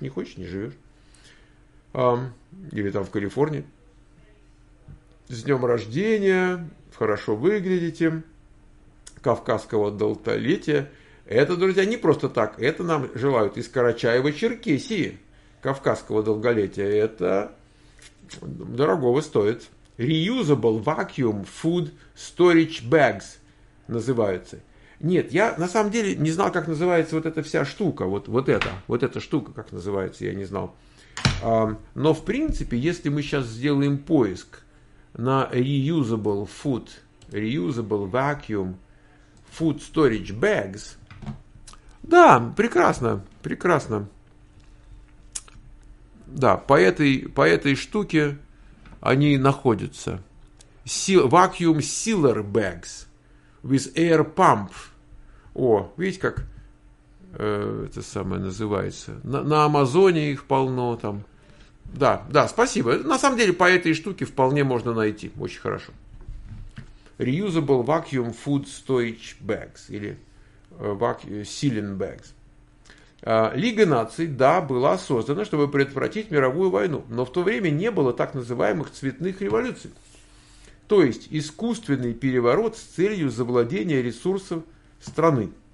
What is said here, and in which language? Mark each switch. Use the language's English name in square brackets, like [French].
[Russian] Не хочешь, не живешь. Или там в Калифорнии. С днем рождения. Хорошо выглядите. Кавказского долголетия. Это, друзья, не просто так. Это нам желают из Карачаева-Черкесии. Кавказского долголетия. Это дорогого стоит. [English] Reusable vacuum food storage bags [Russian] называются. Нет, я на самом деле не знал, как называется вот эта вся штука. Вот эта штука, как называется, я не знал. Но, в принципе, если мы сейчас сделаем поиск на [English] reusable food, reusable vacuum food storage bags, [Russian] да, прекрасно, прекрасно. Да, по этой штуке они находятся. [English] Vacuum sealer bags with air pump. [Russian] О, видите, как это самое называется. На Амазоне их полно там. Да, да, спасибо. На самом деле, по этой штуке вполне можно найти. Очень хорошо. [English] Reusable vacuum food storage bags. [Russian] Или [English] sealing bags. [Russian] Лига наций, да, была создана, чтобы предотвратить мировую войну. Но в то время не было так называемых цветных революций. То есть искусственный переворот с целью завладения ресурсов страны.